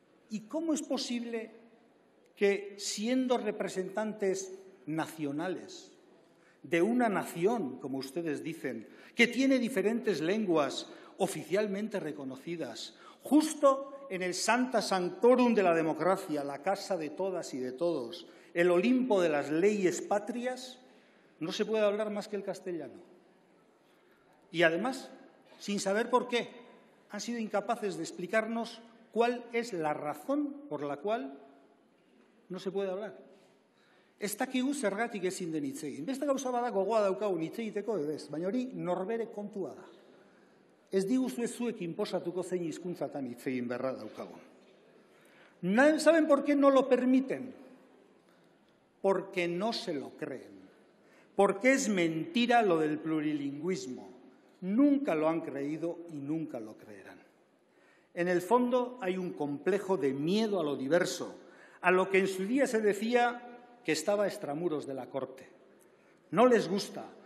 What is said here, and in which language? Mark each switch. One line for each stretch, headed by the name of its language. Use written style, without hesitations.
Spanish: ¿Y cómo es posible que, siendo representantes nacionales de una nación, como ustedes dicen, que tiene diferentes lenguas oficialmente reconocidas, justo en el Santa Sanctorum de la democracia, la casa de todas y de todos, el Olimpo de las leyes patrias, no se puede hablar más que el castellano? Y además, sin saber por qué, han sido incapaces de explicarnos cuál es la razón por la cual no se puede hablar. Está aquí un
Basque: zergatik ezin den hitz egin. Beste gauza bada gogoa daukagun hitz egiteko, ez, baina hori norbere kontua da. Ez diguzu ez zuek inposatuko zein hizkuntzatan hitz egin beharra daukagun.
Spanish: ¿Saben por qué no lo permiten? Porque no se lo creen. Porque es mentira lo del plurilingüismo. Nunca lo han creído y nunca lo creerán. En el fondo hay un complejo de miedo a lo diverso, a lo que en su día se decía que estaba extramuros de la corte. No les gusta.